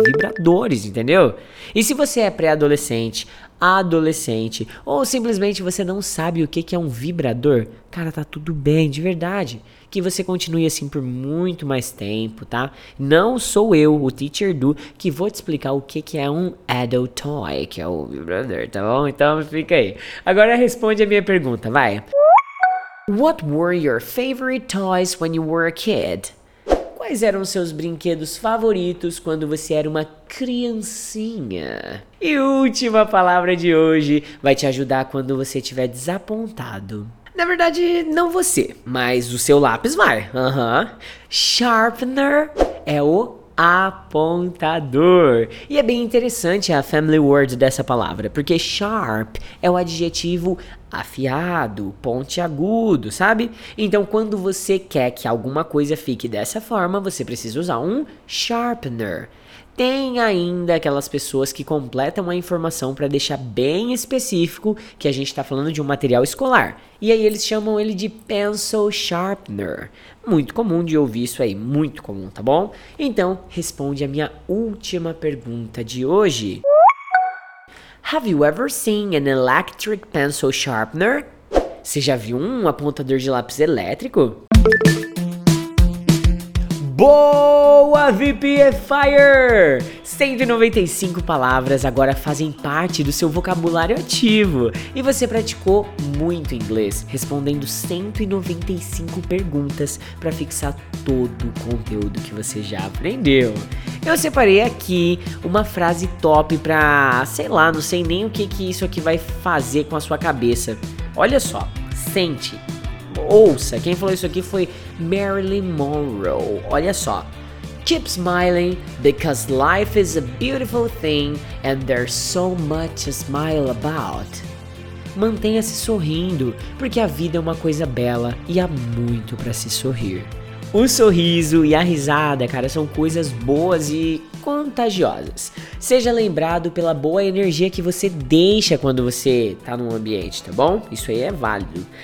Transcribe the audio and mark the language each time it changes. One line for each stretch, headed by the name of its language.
Portuguese: Vibradores, entendeu? E se você é pré-adolescente, adolescente, ou simplesmente você não sabe o que é um vibrador, cara, tá tudo bem, de verdade. Que você continue assim por muito mais tempo, tá? Não sou eu, o Teacher Du, que vou te explicar o que é um adult toy, que é o vibrador, tá bom? Então fica aí. Agora responde a minha pergunta, vai.
English: What were your favorite toys when you were a kid?
Portuguese: Quais eram seus brinquedos favoritos quando você era uma criancinha? E última palavra de hoje vai te ajudar quando você estiver desapontado. Na verdade, não você, mas o seu lápis vai. Uhum. Sharpener é o apontador. E é bem interessante a family word dessa palavra, porque sharp é o adjetivo afiado, pontiagudo, sabe? Então, quando você quer que alguma coisa fique dessa forma, você precisa usar um sharpener. Tem ainda aquelas pessoas que completam a informação para deixar bem específico que a gente está falando de um material escolar. E aí eles chamam ele de pencil sharpener. Muito comum de ouvir isso aí, muito comum, tá bom? Então, responde a minha última pergunta de hoje.
English: Have you ever seen an electric pencil sharpener?
Portuguese: Você já viu um apontador de lápis elétrico? Boa, VP Fire! 195 palavras agora fazem parte do seu vocabulário ativo. E você praticou muito inglês, respondendo 195 perguntas para fixar todo o conteúdo que você já aprendeu. Eu separei aqui uma frase top para, sei lá, não sei nem o que isso aqui vai fazer com a sua cabeça. Olha só, sente. Ouça, quem falou isso aqui foi Marilyn Monroe. Olha só.
English: Keep smiling because life is a beautiful thing and there's so much to smile about.
Portuguese: Mantenha-se sorrindo, porque a vida é uma coisa bela e há muito para se sorrir. O sorriso e a risada, cara, são coisas boas e contagiosas. Seja lembrado pela boa energia que você deixa quando você tá num ambiente, tá bom? Isso aí é válido.